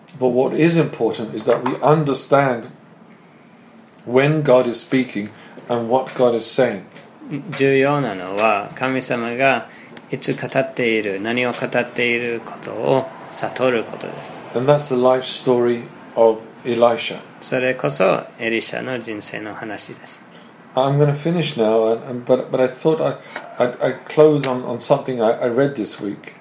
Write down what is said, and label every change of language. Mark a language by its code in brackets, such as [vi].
[en] But what is important is that we understand when God is speaking and what God is saying. [ja] 重要なのは神様がいつ語っている、何を語っていることを悟ることです。 [en] And that's the life story of Elisha. [ja] それこそエリシャの人生の話です。 [en] I'm going to finish now, but I thought I'd close on something I read this week.